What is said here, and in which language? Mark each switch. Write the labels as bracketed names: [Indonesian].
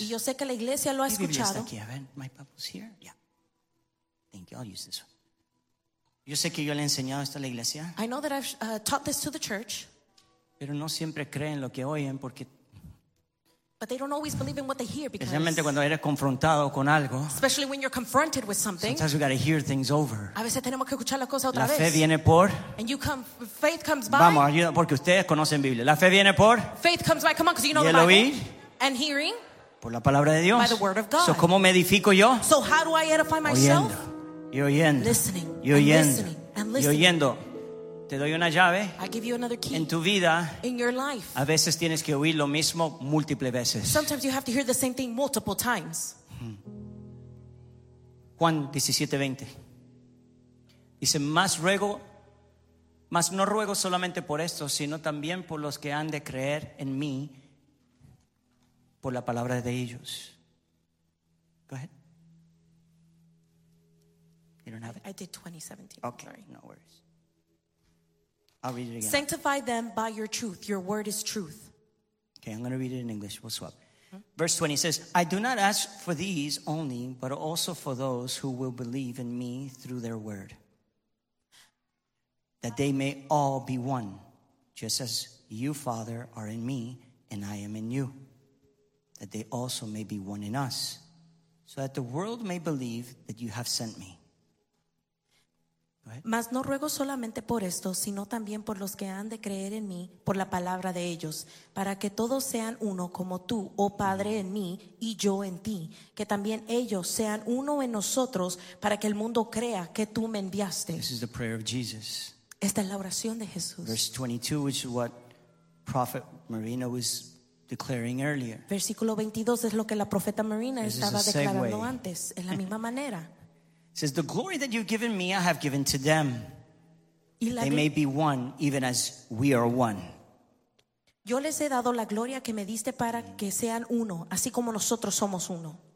[Spanish] Y yo sé que la iglesia lo ha escuchado. Aquí, a ver, [English] my Bible's here. Yeah. Thank you. I'll use this one. [Spanish] Yo sé que yo le he enseñado esto a la iglesia. [English] I know that I've taught this to the church. [Spanish] Pero no siempre creen lo que oyen porque. [English] But they don't always believe in what they hear because. [Spanish] Especialmente cuando eres confrontado con algo. [English] Especially when you're confronted with something. Sometimes we got to hear things over. [Spanish] A veces tenemos que escuchar las cosas otra la vez. La fe viene por. [English] And you come, faith comes by. [Spanish] Vamos, ayuda porque ustedes conocen Biblia. La fe viene por. [English] Faith comes by, come on, because you know [Spanish] y el [English] the Bible. [Spanish] Oír. [English] And hearing. [Spanish] Por la palabra de Dios. [English] By the word of God. [Spanish] So cómo me edifico yo. [English] So how do I edify myself? [Spanish] Oyendo. Y oyendo. [English] Listening. [Spanish] Y oyendo. [English] And listening. And listening. [Spanish] Y oyendo. Te doy una llave. [English] I give you another key. [Spanish] En tu vida, [English] in your life. [Spanish] A veces tienes que oír lo mismo múltiples veces. [English] Sometimes you have to hear the same thing multiple times. [Spanish] Juan 17:20. Dice, "Mas no ruego solamente por esto, sino también por los que han de creer en mí por la palabra de ellos." [English] Go ahead. You don't have it. I did 2017. Okay, sorry. No worries. I'll read it again. Sanctify them by your truth. Your word is truth. Okay, I'm going to read it in English. We'll swap. Verse 20 says, I do not ask for these only, but also for those who will believe in me through their word, that they may all be one, just as you, Father, are in me, and I am in you, that they also may be one in us, so that the world may believe that you have sent me. [Spanish] Mas no ruego solamente por esto, sino también por los que han de creer en mí, por la palabra de ellos, para que todos sean uno como tú, oh Padre, en mí y yo en ti, que también ellos sean uno en nosotros, para que el mundo crea que tú me enviaste. [English] This is the prayer of Jesus. [Spanish] Esta es la oración de Jesús. [English] Verse 22, which is what Prophet Marina was declaring earlier. [Spanish] Versículo 22 es lo que la profeta Marina estaba declarando antes, en la misma manera. [English] It says, the glory that you've given me, I have given to them. They may be one, even as we are one. [Spanish] Yo les he dado la gloria que me diste para que sean uno, así como nosotros somos uno.